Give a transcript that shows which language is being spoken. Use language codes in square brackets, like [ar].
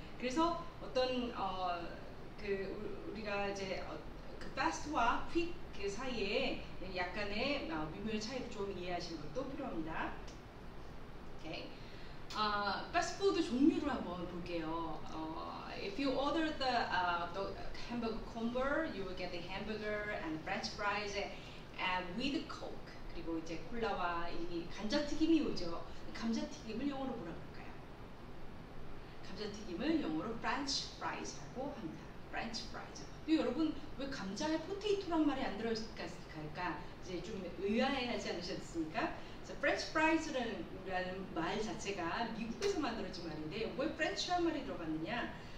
[ko] 그래서 어떤 그 우리가 이제 그 fast와 quick 그 사이에 약간의 미묘한 차이를 좀 이해하시는 것도 필요합니다. 오케이. 패스트푸드 종류를 한번 볼게요. [en] If you order the hamburger combo, you will get the hamburger and french fries and with coke. [ko] 그리고 이제 콜라와 이 감자튀김이 오죠. 감자튀김을 영어로 뭐라 그럴까요? 감자튀김을 영어로 french fries라고 합니다. french fries. 또 여러분 왜 감자에 포테이토란 말이 안 들어갈까? 이제 좀 의아해하지 않으셨습니까? So French fries라는 말 자체가 미국에서 만들어진 말인데 왜 French라는 말이 들어갔느냐?